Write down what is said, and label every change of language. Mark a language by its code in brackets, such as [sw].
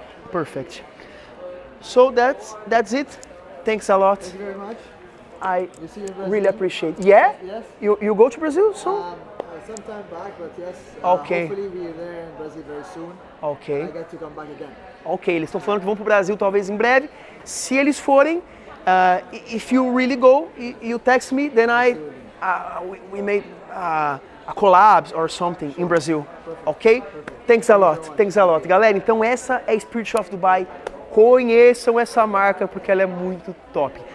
[en] Perfect. So that's it. Thanks a lot. Thank you very much. I really appreciate. Yeah? Yes. You go to Brazil soon? Some time back, but yes. Okay. Hopefully we're there in Brazil very soon. Okay. I get to come back again. [pt] Okay, eles estão falando que vão pro Brasil talvez em breve. Se eles forem, [en] if you really go, you text me, then we made a collab or something in Brazil. Okay? Thanks a lot. Thanks a lot. [pt] Galera, então essa é Spirit of Dubai. Conheçam essa marca porque ela é muito top.